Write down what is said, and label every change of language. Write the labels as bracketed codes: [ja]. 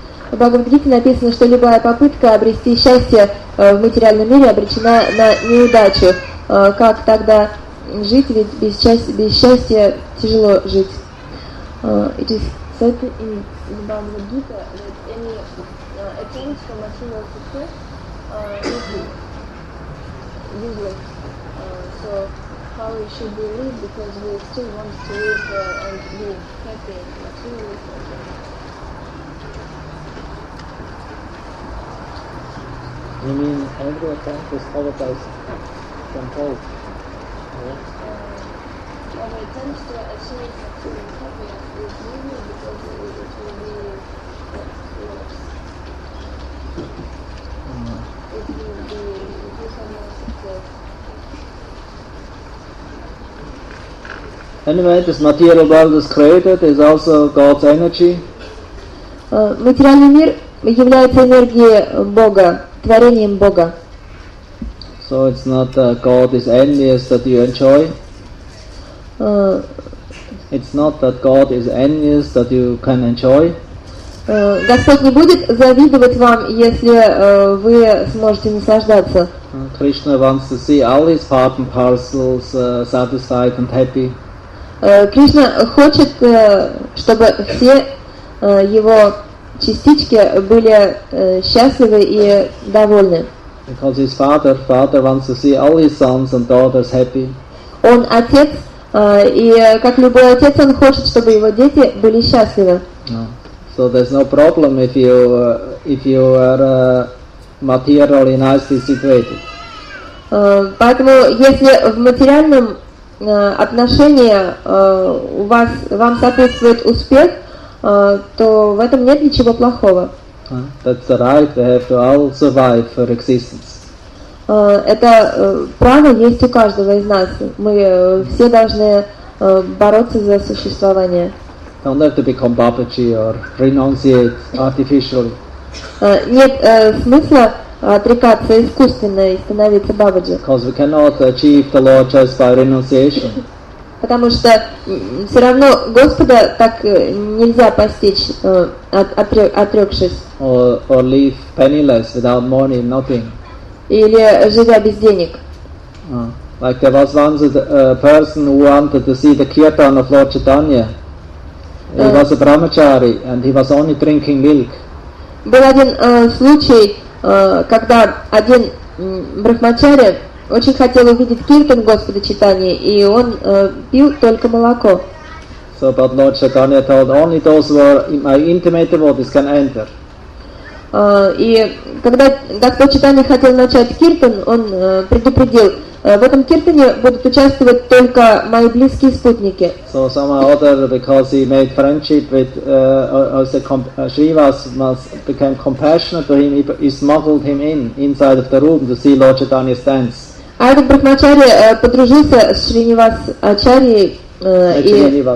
[ru] В Бхагавад-гите написано, что любая попытка обрести счастье в материальном мире обречена на неудачу. Как тогда жить, ведь без счастья тяжело жить. [en] It is said in the Bhagavad Gita that any attempt for material success is useless. So how we should we live, because we still want to live and be happy materially. You mean every attempt is covered by some hope? Attempts to achieve Anyway, this material world is created, is also God's energy. [ru] Материальный мир является энергией Бога, творением Бога. [en] So it's not God is envious that you enjoy. It's not that God is envious that you can enjoy. [ru] Господь не будет завидовать вам, если вы сможете наслаждаться. [en] Krishna wants to see all his part and parcels satisfied and happy. [ru] Кришна хочет, чтобы все его частички были счастливы и довольны. [en] Because his father wants to see all his sons and daughters happy. [ru] Он отец, и как любой отец, он хочет, чтобы его дети были счастливы. [en] So there's no problem if you are materially nicely situated. [ru] Поэтому если в материальном отношения у вас, вам соответствует успех, то в этом нет ничего плохого. [en] That's right. We have to all survive for existence. [ru] Это право есть у каждого из нас. Мы все должны бороться за существование. [en] Don't have to become Babaji or renunciate artificially. [ru] Нет смысла отрекаться искусственно и становиться Бабаджи. [en] Because we cannot achieve the Lord just by renunciation. [ru] Потому что все равно Господа так нельзя постичь, отрекшись. [en] Or live penniless, without money, nothing. [ru] Или живя без денег. [en] Like there was once a person who wanted to see the kirtan of Lord Chaitanya. He was a brahmachari, and he was only drinking milk. [ru] Был один случай, когда один брахмачари очень хотел увидеть киртан Господа Читания, и он пил только молоко. [en] So, but Lord Chaitanya told only those who are in my intimate devotees can enter. [ru] И когда Господь Читания хотел начать киртан, он предупредил: в этом киртане будут участвовать только мои близкие спутники. [en] So some other, because he made friendship with Shrivas, became compassionate to him, he smuggled him inside of the room to see Lord Chaitanya's dance. [ru] А этот брахмачари подружился с Шринивас Ачарьей и...